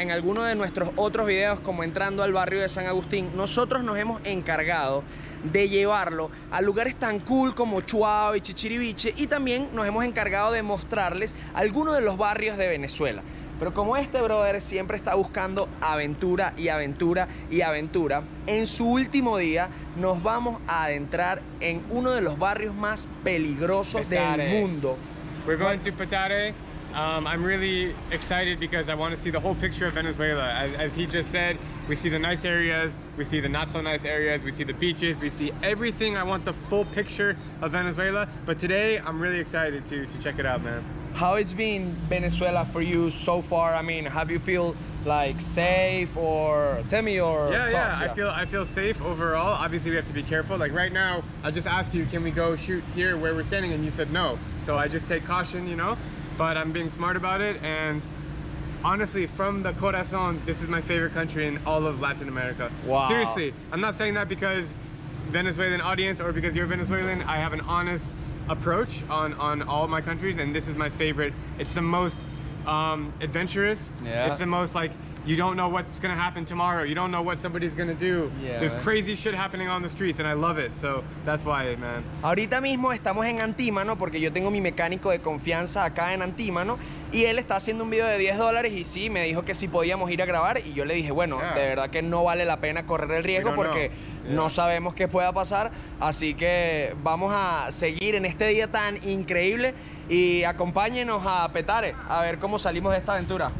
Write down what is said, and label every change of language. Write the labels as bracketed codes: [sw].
[es] En alguno de nuestros otros videos, como entrando al barrio de San Agustín, nosotros nos hemos encargado de llevarlo a lugares tan cool como Chuao y Chichiriviche, y también nos hemos encargado de mostrarles algunos de los barrios de Venezuela. Pero como este brother siempre está buscando aventura y aventura y aventura, en su último día nos vamos a adentrar en uno de los barrios más peligrosos del mundo. [en] We're going to Petare. I'm really excited because I want to see the whole picture of Venezuela. As he just said, we see the nice areas, we see the not so nice areas, we see the beaches, we see everything. I want the full picture of Venezuela. But today, I'm really excited to check it out, man. How it's been Venezuela for you so far? I mean, have you feel like safe, or tell me your thoughts? Yeah, I feel safe overall. Obviously, we have to be careful. Like right now, I just asked you, can we go shoot here where we're standing? And you said no. So I just take caution, you know, but I'm being smart about it. And honestly, from the corazón, this is my favorite country in all of Latin America. Wow. Seriously, I'm not saying that because Venezuelan audience or because you're Venezuelan. I have an honest approach on all my countries, and this is my favorite. It's the most adventurous. Yeah. It's the most, like, you don't know what's gonna happen tomorrow. You don't know what somebody's gonna do. Yeah. There's crazy shit happening on the streets, and I love it. So that's why, man. [es] Ahorita mismo estamos en Antímano porque yo tengo mi mecánico de confianza acá en Antímano, y él está haciendo un video de $10 y sí, me dijo que sí podíamos ir a grabar, y yo le dije, bueno, yeah, de verdad que no vale la pena correr el riesgo porque no sabemos qué pueda pasar, así que vamos a seguir en este día tan increíble y acompáñenos a Petare a ver cómo salimos de esta aventura.